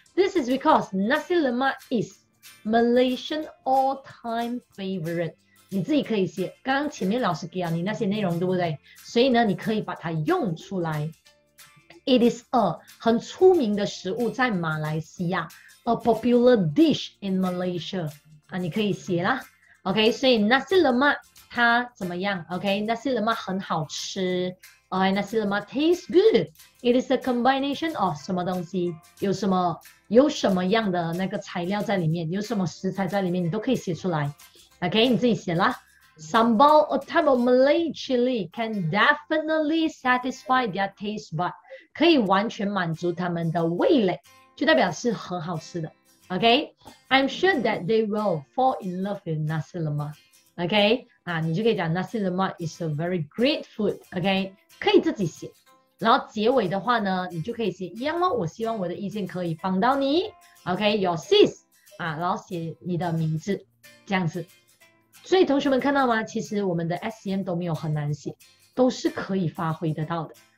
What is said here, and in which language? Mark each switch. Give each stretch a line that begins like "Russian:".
English: This is because nasi lemak is Malaysian all-time favorite.
Chinese: 你自己可以写，刚刚前面老师给了你那些内容，对不对？所以呢，你可以把它用出来。
English: It is a
Chinese: 很出名的食物，在马来西亚。
English: A popular dish in Malaysia
Chinese: 啊，你可以写啦 ，OK， 所以 nasi lemak 它怎么样 ？OK， nasi lemak 很好吃 ，OK， nasi lemak
English: tastes good。 It is a combination of
Chinese: 什么东西？有什么样的那个材料在里面？有什么食材在里面？你都可以写出来 ，OK， 你自己写啦。
English: Sambal, a type of Malay chili, can definitely satisfy their taste bud，
Chinese: 可以完全满足他们的味蕾。就代表是很好吃的 ，OK。
English: I'm sure that they will fall in love with nasi lemak， OK。
Chinese: 啊，你就可以讲 nasi lemak
English: is a very great food，
Chinese: OK。可以自己写，然后结尾的话呢，你就可以写一样咯。我希望我的意见可以帮到你 ，OK。
English: Your sis，
Chinese: 啊，然后写你的名字，这样子。所以同学们看到吗？其实我们的 SCM 都没有很难写，都是可以发挥得到的。